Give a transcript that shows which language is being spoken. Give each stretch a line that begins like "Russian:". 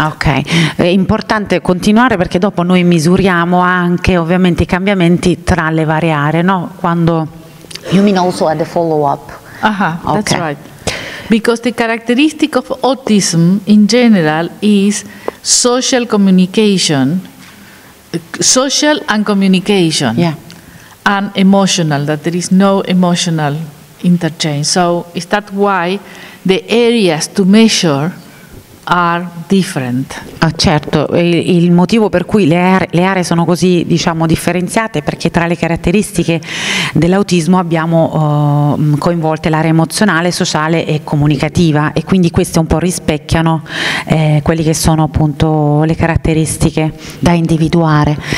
Italian: Ok, è importante continuare perché dopo noi misuriamo anche ovviamente i cambiamenti tra le varie aree, no? Quando
English: you mean also at the follow up. That's right. Because the characteristic of autism in general is social communication. Social and communication, and emotional, that there is no emotional interchange. So is that why the areas to measure are different?
Italian: Ah, certo, il motivo per cui le aree sono così, diciamo, differenziate, perché tra le caratteristiche dell'autismo abbiamo coinvolte l'area emozionale, sociale e comunicativa, e quindi queste un po' rispecchiano quelli che sono appunto le caratteristiche da individuare.